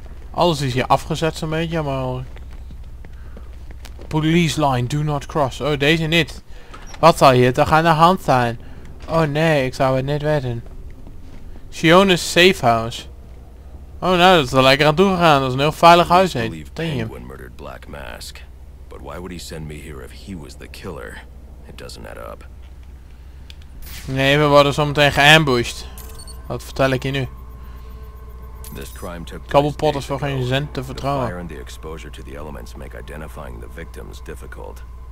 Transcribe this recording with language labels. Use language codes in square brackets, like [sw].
[nl] Alles is hier afgezet zo'n beetje, maar. [en] Police line, do not cross. [nl] Oh, deze niet. Wat zal hier toch aan de hand zijn? Oh nee, ik zou het niet weten. [en] Shiona's safe house. [nl] Oh nou, dat is er lekker aan toe gegaan. Dat is een heel veilig huis heet. [en] Damn. Murdered Black Mask. But why would he send me here if he was the killer? It doesn't add up. [nl] Nee, we worden zometeen geambushed. Wat vertel ik je nu? Kabelpot is voor geen zin te vertrouwen. [en] The exposure to the elements make identifying the victims difficult.